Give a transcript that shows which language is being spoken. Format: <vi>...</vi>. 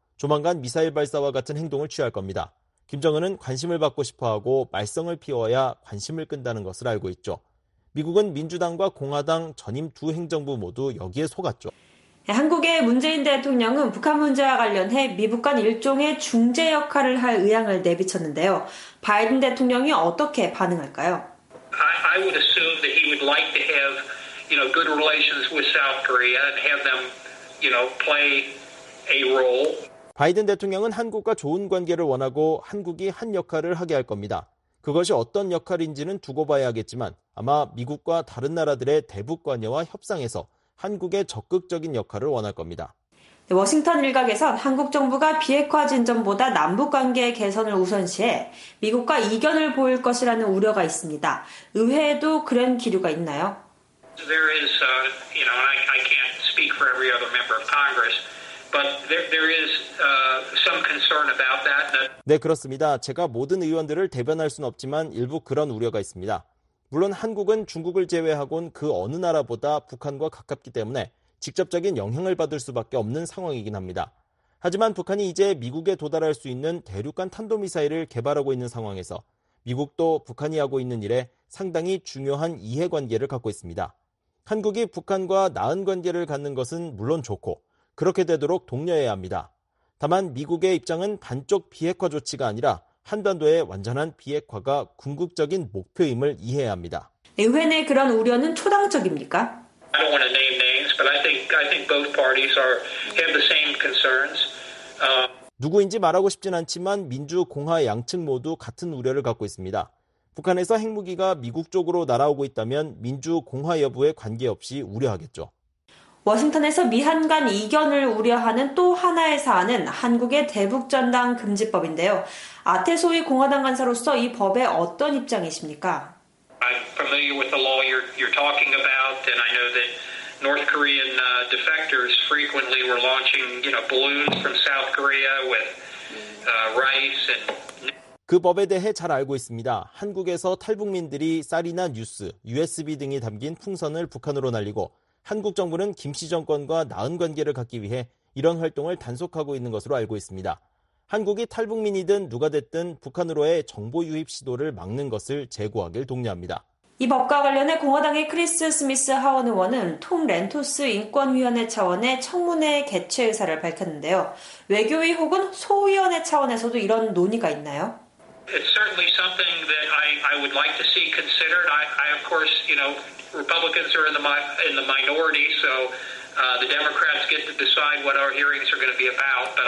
<ko>조만간 미사일 발사와 같은 행동을 취할 겁니다. 김정은은 관심을 받고 싶어하고 말썽을 피워야 관심을 끈다는 것을 알고 있죠. 미국은 민주당과 공화당 전임 두 행정부 모두 여기에 속았죠. 한국의 문재인 대통령은 북한 문제와 관련해 미국 간 일종의 중재 역할을 할 의향을 내비쳤는데요. 바이든 대통령이 어떻게 반응할까요?</ko> <en>I would assume that he would like to have you know, good relations with South Korea and have them, you know, play a role.</en> <ko>바이든 대통령은 한국과 좋은 관계를 원하고 한국이 한 역할을 하게 할 겁니다. 그것이 어떤 역할인지는 두고 봐야 하겠지만 아마 미국과 다른 나라들의 대북 관여와 협상에서 한국의 적극적인 역할을 원할 겁니다. 워싱턴 일각에선 한국 정부가 비핵화 진전보다 남북관계 개선을 우선시해 미국과 이견을 보일 것이라는 우려가 있습니다. 의회에도 그런 기류가 있나요?</ko> <en>There is, you know, and I can't speak for every other member of Congress, But there is some concern about that.</en> <ko>네, 그렇습니다. 제가 모든 의원들을 대변할 수는 없지만 일부 그런 우려가 있습니다. 물론 한국은 중국을 제외하곤 그 어느 나라보다 북한과 가깝기 때문에 직접적인 영향을 받을 수밖에 없는 상황이긴 합니다. 하지만 북한이 이제 미국에 도달할 수 있는 대륙간 탄도미사일을 개발하고 있는 상황에서 미국도 북한이 하고 있는 일에 상당히 중요한 이해관계를 갖고 있습니다. 한국이 북한과 나은 관계를 갖는 것은 물론 좋고 그렇게 되도록 독려해야 합니다. 다만 미국의 입장은 반쪽 비핵화 조치가 아니라 한반도의 완전한 비핵화가 궁극적인 목표임을 이해해야 합니다. 네, 의회 내 그런 우려는 초당적입니까?</ko> <en>I don't want to name names, but I think both parties have the same concerns.</en> <ko>누구인지 말하고 싶진 않지만 민주, 공화 양측 모두 같은 우려를 갖고 있습니다. 북한에서 핵무기가 미국 쪽으로 날아오고 있다면 민주, 공화 여부에 관계없이 우려하겠죠. 워싱턴에서 미한 간 이견을 우려하는 또 하나의 사안은 한국의 대북전당 금지법인데요. 아태소의 공화당 간사로서 이 법에 어떤 입장이십니까?</ko> <en>I'm familiar with the law you're talking about, and I know that North Korean defectors frequently were launching, you know, balloons from South Korea with rice and.</en> <ko>그 법에 대해 잘 알고 있습니다. 한국에서 탈북민들이 쌀이나 뉴스, USB 등이 담긴 풍선을 북한으로 날리고 한국 정부는 김씨 정권과 나은 관계를 갖기 위해 이런 활동을 단속하고 있는 것으로 알고 있습니다. 한국이 탈북민이든 누가 됐든 북한으로의 정보 유입 시도를 막는 것을 제고하길 독려합니다. 이 법과 관련해 공화당의 크리스 스미스 하원 의원은 톰 렌토스 인권위원회 차원의 청문회 개최 의사를 밝혔는데요. 외교위 혹은 소위원회 차원에서도 이런 논의가 있나요?</ko> <en>It's certainly something that I would like to see considered. I of course, you know, Republicans are in the minority, so the Democrats get to decide what our hearings are going to be about.</en>